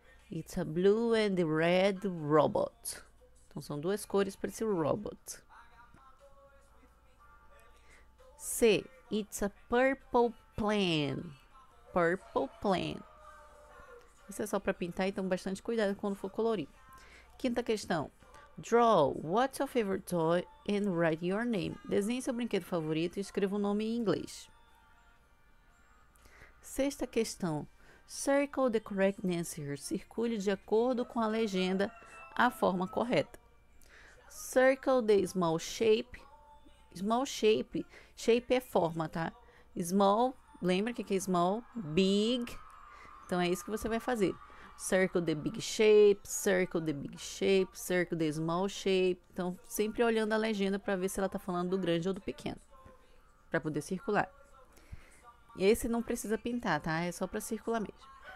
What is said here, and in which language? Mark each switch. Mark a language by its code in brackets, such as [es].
[en] It's a blue and red robot. [pt] Então são duas cores para esse robot. [en] C. It's a purple plane. Purple plane. [pt] Isso é só para pintar, então bastante cuidado quando for colorir. Quinta questão. [en] Draw what's your favorite toy and write your name. [pt] Desenhe seu brinquedo favorito e escreva o nome em inglês. Sexta questão. [en] Circle the correct answer. [pt] Circule de acordo com a legenda a forma correta. [en] Circle the small shape. Small shape. [pt] Shape é forma, tá? Small, lembra o que é small? Big. Então é isso que você vai fazer. [en] Circle the big shape, circle the big shape, circle the small shape. [pt] Então sempre olhando a legenda para ver se ela tá falando do grande ou do pequeno, para poder circular. Esse não precisa pintar, tá? É só para circular mesmo.